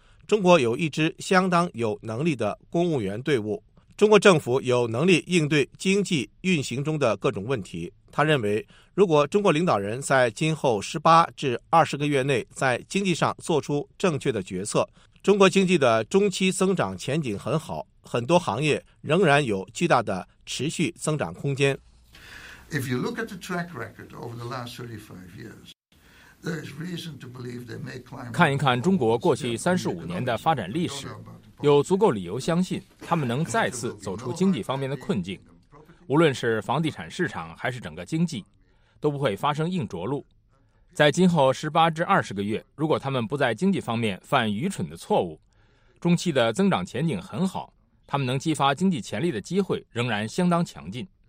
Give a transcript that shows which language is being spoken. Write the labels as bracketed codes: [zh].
[zh] 中国有一支相当有能力的公务员队伍，中国政府有能力应对经济运行中的各种问题。他认为，如果中国领导人在今后18至20个月内在经济上做出正确的决策，中国经济的中期增长前景很好，很多行业仍然有巨大的持续增长空间。 [en] If you look at the track record over the last 35 years, [zh] 看一看中国过去35年的发展历史，有足够理由相信他们能再次走出经济方面的困境。无论是房地产市场还是整个经济，都不会发生硬着陆。在今后18至20个月，如果他们不在经济方面犯愚蠢的错误，中期的增长前景很好，他们能激发经济潜力的机会仍然相当强劲。